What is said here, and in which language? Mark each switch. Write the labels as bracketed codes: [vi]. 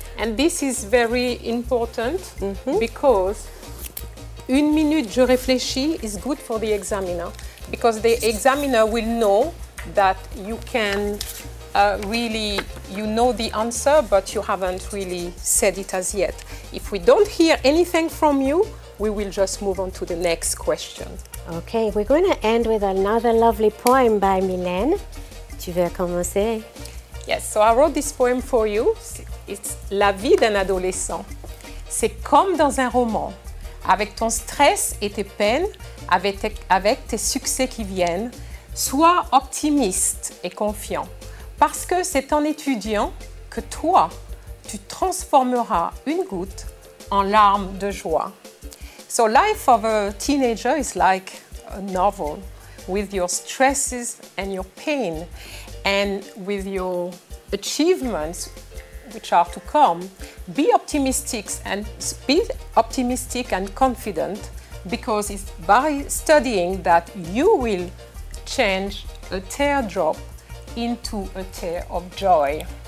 [en] And this is very important because [fr] une minute, je réfléchis [en] is good for the examiner because the examiner will know that you can really, you know the answer, but you haven't really said it as yet. If we don't hear anything from you, we will just move on to the next question. Okay, we're going to end with another lovely poem by Mylène. Tu veux commencer? Yes, so I wrote this poem for you. It's La vie d'un adolescent. [fr] C'est comme dans un roman, avec ton stress et tes peines, avec tes succès qui viennent. Sois optimiste et confiant, parce que c'est en étudiant que toi, tu transformeras une goutte en larme de joie. [en] So life of a teenager is like a novel with your stresses and your pain and with your achievements which are to come, be optimistic and confident, because it's by studying that you will change a teardrop into a tear of joy.